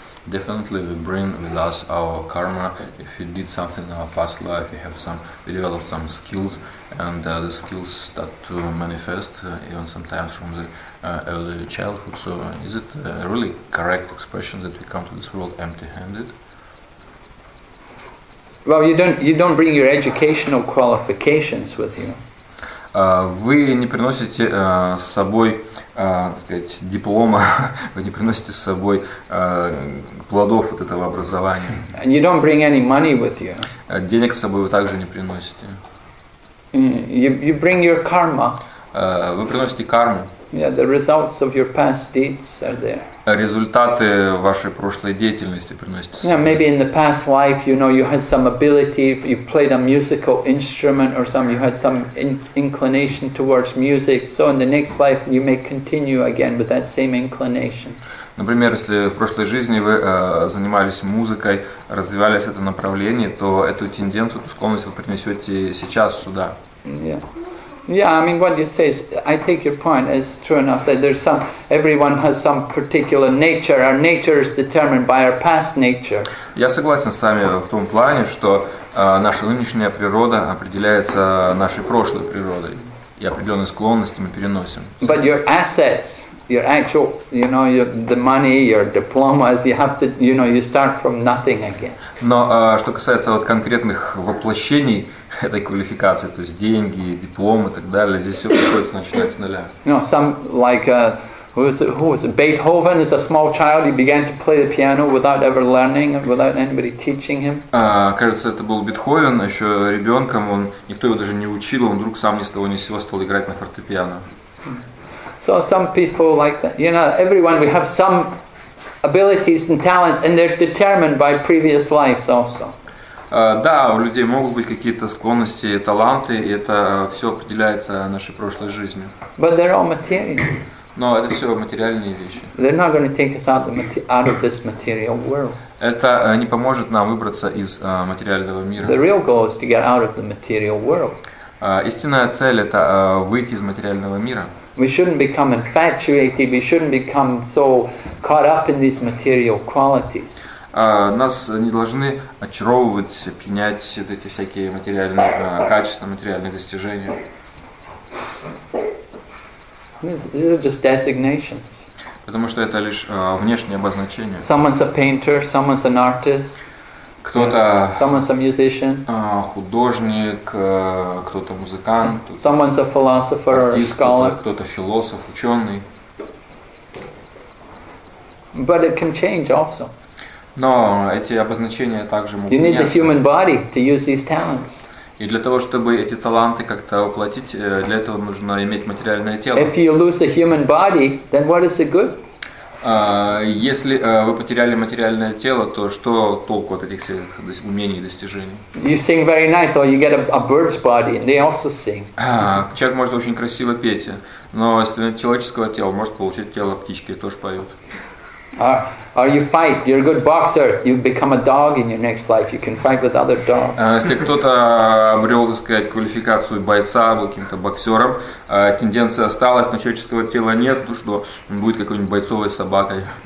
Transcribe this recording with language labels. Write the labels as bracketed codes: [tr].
[en] definitely we bring with us our karma. If you did something in our past life, you have some, we developed some skills, and the skills start to manifest even sometimes from the early childhood. So is it a really correct expression that we come to this world empty-handed? Well, you don't bring your educational qualifications with you. [ru] Вы не приносите с собой, сказать, диплома, вы не приносите с собой плодов вот этого образования. [en] And you don't bring any money with you. [ru] Денег с собой вы также не приносите. [en] You bring your karma. [ru] Вы приносите карму. [en] Yeah, the results of your past deeds are there. [ru] Результаты вашей прошлой деятельности приносите. [en] Yeah, maybe in the past life, you know, you had some ability, you played a musical instrument or some, you had some inclination towards music. So in the next life, you may continue again with that same inclination. [ru] Например, если в прошлой жизни вы занимались музыкой, развивались это направление, то эту тенденцию, эту склонность вы принесете сейчас сюда. [en] Yeah. Yeah, I mean, what you say is, I take your point, it's true enough that there's some, everyone has some particular nature, our nature is determined by our past nature. [ru] Я согласен с вами в том плане, что наша нынешняя природа определяется нашей прошлой природой, и определенные склонности мы переносим. [en] But your assets, your actual, you know, your, the money, your diplomas, you have to, you know, you start from nothing again. [ru] Но что касается вот конкретных воплощений, этой квалификации, то есть деньги, дипломы и так далее, здесь все приходится начинать с нуля. [en] No, some like who was it? Beethoven is a small child. He began to play the piano without ever learning, without anybody teaching him. [ru] Кажется, это был Бетховен, еще ребенком, он никто его даже не учил, он вдруг сам ни с того ни с сего стал играть на фортепиано. [en] So some people like that, you know, everyone we have some abilities and talents, and they're determined by previous lives also. [ru] Да, у людей могут быть какие-то склонности, таланты, и это все определяется нашей прошлой жизнью. [en] But they're all material. [ru] Но это все материальные вещи. [en] They're not going to take us out of this material world. [ru] Это не поможет нам выбраться из материального мира. [en] The real goal is to get out of the material world. [ru] Истинная цель – это выйти из материального мира. [en] We shouldn't become infatuated, we shouldn't become so caught up in these material qualities. [ru] Нас не должны очаровывать, пьянять вот эти всякие материальные качества, материальные достижения. [en] These are just designations. [ru] Потому что это лишь внешнее обозначение. [en] Someone's a painter, someone's an artist. [ru] Кто-то [en] someone's a musician. [ru] Художник, кто-то музыкант. [en] Someone's a philosopher or a scholar. [ru] Кто-то философ, ученый. [en] But it can change also. [ru] Но эти обозначения также могут [en] You need [ru] меняться. [en] The human body to use these talents. [ru] И для того, чтобы эти таланты как-то воплотить, для этого нужно иметь материальное тело. [en] If you lose a human body, then what is the good? [ru] Если вы потеряли материальное тело, то что толку от этих всех умений и достижений? [en] You sing very nice, or you get a bird's body, and they also sing. [ru] Человек может очень красиво петь, но если нет человеческого тела, может получить тело птички, и тоже поют. [en] Or you fight, you're a good boxer, you become a dog in your next life, you can fight with other dogs. [ru] Если кто-то обрел, так сказать, квалификацию бойца, был каким-то боксером, тенденция осталась, но человеческого тела нет, ну что, он будет какой-нибудь бойцовой собакой.